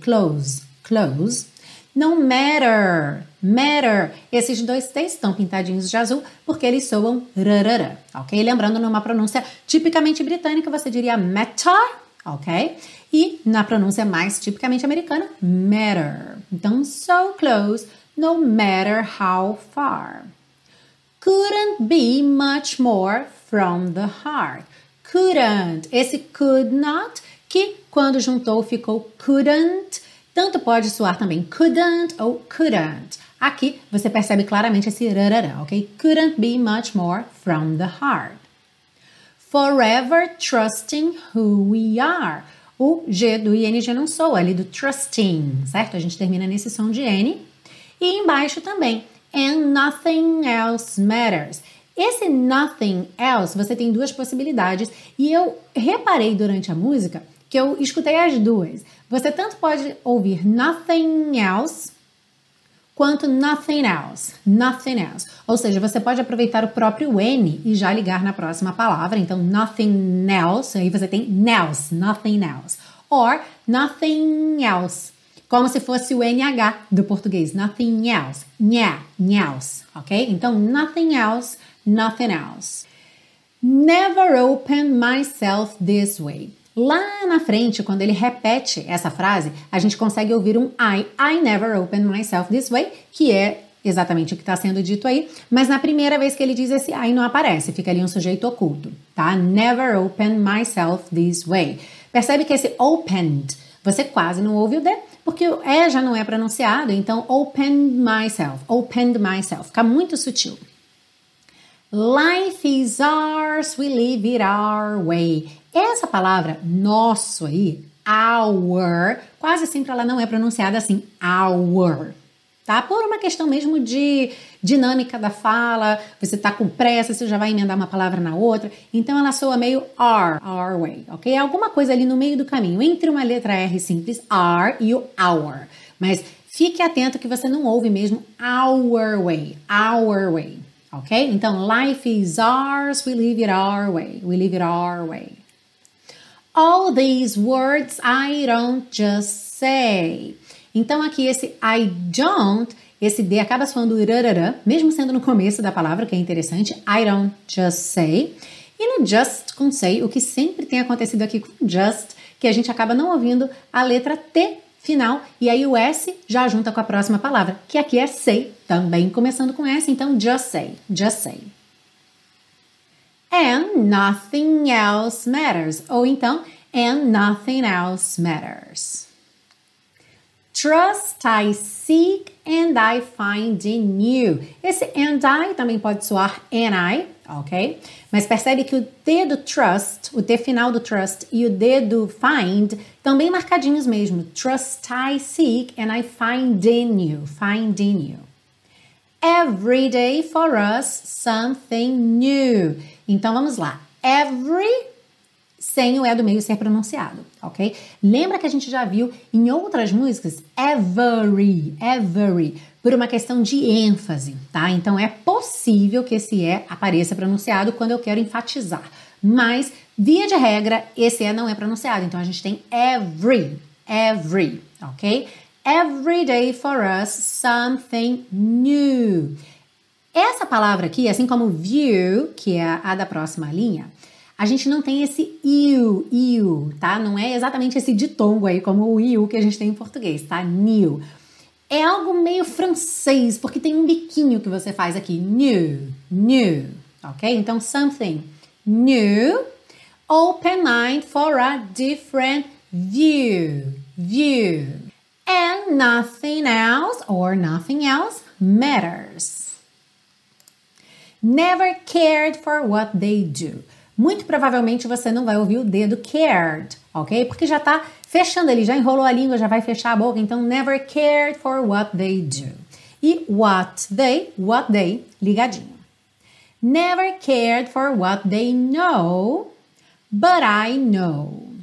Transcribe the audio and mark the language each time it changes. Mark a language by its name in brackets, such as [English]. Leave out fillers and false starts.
[English] Close, close. No matter, matter. [Portuguese] Esses dois T's estão pintadinhos de azul porque eles soam rarara, ok? Lembrando, numa pronúncia tipicamente britânica, você diria matter, ok? E na pronúncia mais tipicamente americana, matter. Então, [English] so close, no matter how far. Couldn't be much more from the heart. [Portuguese] Couldn't, esse could not, que quando juntou ficou [English] couldn't, [Portuguese] tanto pode soar também couldn't ou couldn't. Aqui você percebe claramente esse rarará, ok? [English] Couldn't be much more from the heart. Forever trusting who we are. [Portuguese] O G do ING não soa ali do trusting, certo? A gente termina nesse som de N. E embaixo também, [English] and nothing else matters. [Portuguese] Esse nothing else, você tem duas possibilidades e eu reparei durante a música que eu escutei as duas. Você tanto pode ouvir [English] nothing else quanto nothing else, nothing else. [Portuguese] Ou seja, você pode aproveitar o próprio N e já ligar na próxima palavra. [English] Então, nothing else, [Portuguese] aí você tem [English] else, nothing else. Or nothing else, [Portuguese] como se fosse o NH do português, nothing else, nha, else, ok? [English] Então, nothing else, nothing else. Never open myself this way. [Portuguese] Lá na frente, quando ele repete essa frase, a gente consegue ouvir um [English] I never open myself this way, [Portuguese] que é exatamente o que está sendo dito aí, mas na primeira vez que ele diz esse I não aparece, fica ali um sujeito oculto, tá? [English] Never open myself this way. [Portuguese] Percebe que esse opened, você quase não ouve o D, porque o E já não é pronunciado, então [English] opened myself, [Portuguese] fica muito sutil. [English] Life is ours, we live it our way. [Portuguese] Essa palavra nosso aí, our, quase sempre ela não é pronunciada assim, our, tá? Por uma questão mesmo de dinâmica da fala, você tá com pressa, você já vai emendar uma palavra na outra, então ela soa meio [English] our way, [Portuguese] ok? Alguma coisa ali no meio do caminho, entre uma letra R simples, our, e o our, mas fique atento que você não ouve mesmo [English] our way, [Portuguese] ok? Então, [English] life is ours, we live it our way, we live it our way. All these words I don't just say. [Portuguese] Então, aqui esse I don't, esse D acaba soando rarara, mesmo sendo no começo da palavra, que é interessante, [English] I don't just say. [Portuguese] E no just com say, o que sempre tem acontecido aqui com just, que a gente acaba não ouvindo a letra T final, e aí o S já junta com a próxima palavra, que aqui é say, também começando com S, então [English] just say, just say. And nothing else matters. [Portuguese] Ou então, [English] and nothing else matters. Trust I seek and I find in you. [Portuguese] Esse [English] and I [Portuguese] também pode soar and I, ok? Mas percebe que o T do trust, o T final do trust e o D do find estão bem marcadinhos mesmo. [English] Trust I seek and I find in you. Find in you. Every day for us, something new. [Portuguese] Então, vamos lá. Every, sem o E do meio ser pronunciado, ok? Lembra que a gente já viu em outras músicas, every, every, por uma questão de ênfase, tá? Então, é possível que esse E apareça pronunciado quando eu quero enfatizar. Mas, via de regra, esse E não é pronunciado. Então, a gente tem every, every, ok? [English] Every day for us, something new. [Portuguese] Essa palavra aqui, assim como view, que é a da próxima linha, a gente não tem esse you, tá? Não é exatamente esse ditongo aí, como o you que a gente tem em português, tá? New. É algo meio francês, porque tem um biquinho que você faz aqui. New, new, ok? Então, [English] something new, open mind for a different view, view. And nothing else, or nothing else, matters. Never cared for what they do. [Portuguese] Muito provavelmente você não vai ouvir o D do cared, ok? Porque já tá fechando ali, já enrolou a língua, já vai fechar a boca. [English] Então, never cared for what they do. E what they, [Portuguese] ligadinho. [English] Never cared for what they know, but I know.